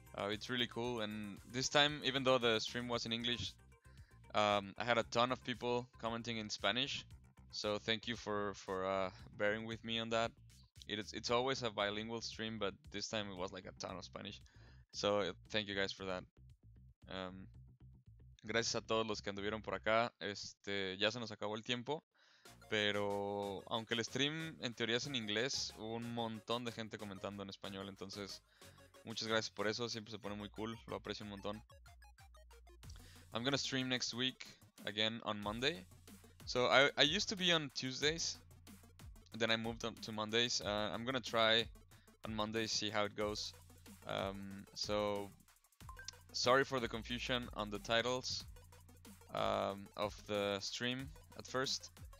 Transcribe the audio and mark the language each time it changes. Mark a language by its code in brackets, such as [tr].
[en] It's really cool, and this time, even though the stream was in English, I had a ton of people commenting in Spanish, so thank you for bearing with me on that. It's always a bilingual stream, but this time it was like a ton of Spanish, so thank you guys for that. [es] Gracias a todos los que anduvieron por acá. Ya se nos acabó el tiempo, pero aunque el stream en teoría es en inglés, hubo un montón de gente comentando en español, entonces... Muchas gracias por eso, siempre se pone muy cool, lo aprecio un montón. [en] I'm gonna stream next week again on Monday. So I used to be on Tuesdays, then I moved on to Mondays. I'm gonna try on Monday, see how it goes. So sorry for the confusion on the titles of the stream at first.